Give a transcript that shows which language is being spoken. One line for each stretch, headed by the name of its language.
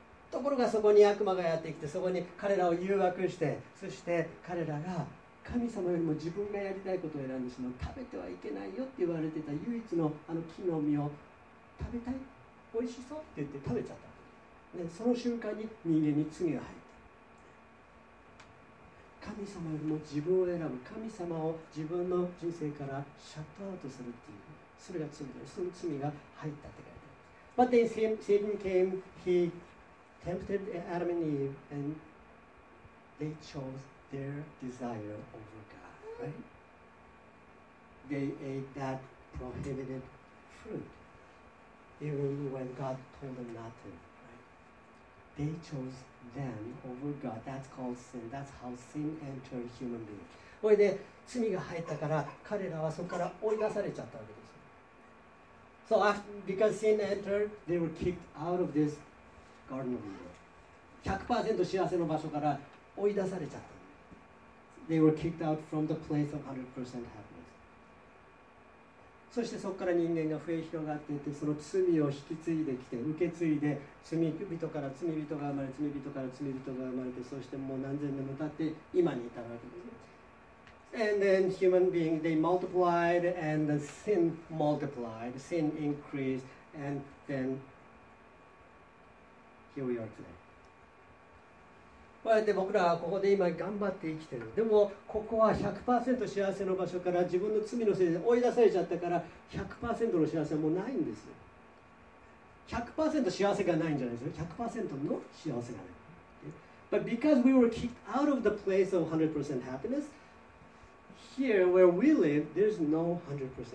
Japanese: ところがそこに悪魔がやってきて、そこに彼らを誘惑して、そして彼らが神様よりも自分がやりたいことを選んでしまう、食べてはいけないよって言われてた唯一のあの木の実を食べたい、おいしそうって言って食べちゃった。で、その瞬間に人間に罪が入った。神様よりも自分を選ぶ、神様を自分の人生からシャットアウトするっていう、それが罪で、その罪が入ったって書いてある。
English: But then Satan came, he tempted Adam and Eve, and they chose their desire over God, right? They ate that prohibited fruit, even when God told them not to. They chose them over God. That's called sin. That's how sin entered human being.
Japanese: それで罪が入ったから彼らはそこから追い出されちゃったわけです。
English: So after, because sin entered, they were kicked out of this garden of Eden.
Japanese: 100% 幸せの場所から追い出されちゃった。
English: They were kicked out from the place of 100% happiness.
Japanese: そしてそこから人間が増え広がっていって、その罪を引き継いできて、受け継いで、罪人から罪人が生まれ、罪人から罪人が生まれて、そしてもう何千年も経って今に至るわけです。
English: And then human beings, they multiplied and the sin multiplied, sin increased, and then here we are today.
Japanese: こうやって僕らはここで今頑張って生きてる。でもここは 100% 幸せの場所から自分の罪のせいで追い出されちゃったから 100% の幸せはもうないんですよ。 100% 幸せがないんじゃないですか。 100% の幸せがない。
English: But because we were kicked out of the place of 100% happiness, here where we live, there's no 100% happiness.